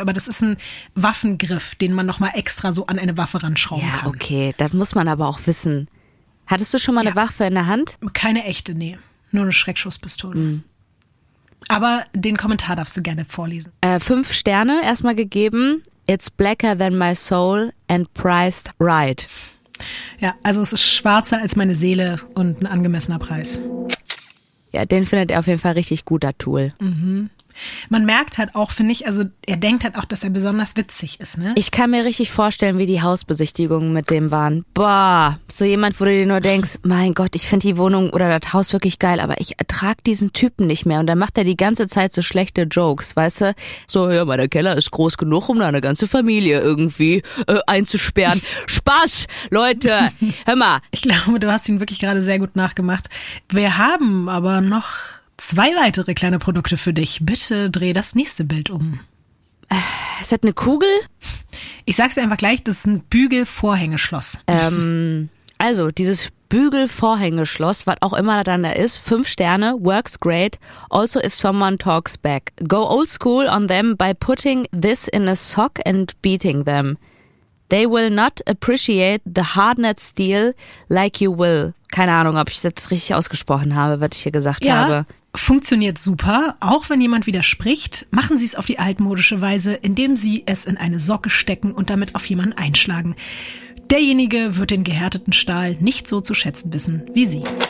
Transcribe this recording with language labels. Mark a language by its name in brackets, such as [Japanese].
[German] Aber das ist ein Waffengriff, den man nochmal extra so an eine Waffe ranschrauben kann. Ja, okay. Das muss man aber auch wissen. Hattest du schon mal eine Waffe in der Hand? Keine echte, nee. Nur eine Schreckschusspistole. Mhm. Aber den Kommentar darfst du gerne vorlesen. 5 Sterne erstmal gegeben. [English] It's blacker than my soul and priced right. [German] Ja, also es ist schwarzer als meine Seele und ein angemessener Preis. Ja, den findet er auf jeden Fall richtig gut, das Tool. Mhm. Man merkt halt auch, finde ich, also er denkt halt auch, dass er besonders witzig ist, ne? Ich kann mir richtig vorstellen, wie die Hausbesichtigungen mit dem waren. Boah, so jemand, wo du dir nur denkst, mein Gott, ich finde die Wohnung oder das Haus wirklich geil, aber ich ertrag diesen Typen nicht mehr. Und dann macht er die ganze Zeit so schlechte Jokes, weißt du? So, ja, mein Keller ist groß genug, um da eine ganze Familie irgendwie einzusperren. Spaß, Leute, hör mal. Ich glaube, du hast ihn wirklich gerade sehr gut nachgemacht. Wir haben aber noch 2 weitere kleine Produkte für dich. Bitte dreh das nächste Bild um. Es hat eine Kugel? Ich sag's dir einfach gleich, das ist ein Bügelvorhängeschloss. Also, dieses Bügelvorhängeschloss, was auch immer dann da ist, 5 Sterne, [English] works great. Also if someone talks back. Go old school on them by putting this in a sock and beating them. They will not appreciate the hardened steel like you will. [German] Keine Ahnung, ob ich das richtig ausgesprochen habe, was ich hier gesagt habe. Funktioniert super. Auch wenn jemand widerspricht, machen Sie es auf die altmodische Weise, indem Sie es in eine Socke stecken und damit auf jemanden einschlagen. Derjenige wird den gehärteten Stahl nicht so zu schätzen wissen wie Sie.